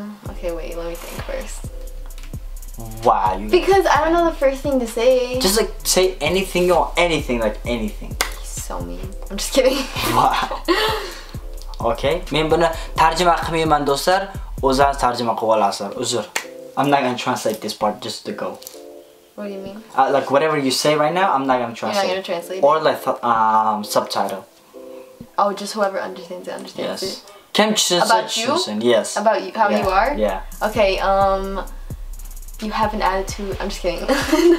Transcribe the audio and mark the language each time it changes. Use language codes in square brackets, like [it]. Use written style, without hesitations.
[en] Okay, wait, let me think first. Why? Wow, because I don't know the first thing to say. Just like say anything or anything, like anything. He's so mean. I'm just kidding. Wow. Okay. [uz] Men buni tarjima qilmayman do'stlar. O'zingiz tarjima qilib olasiz. Uzr. [en] I'm not gonna translate this part, just to go. What do you mean? Like whatever you say right now, I'm not gonna translate. You're not gonna translate. Or like subtitle. Oh, just whoever understands it. Kim Chisun. About you? Yes. About you? How yeah. you are? Yeah. Okay. You have an attitude. I'm just kidding. No.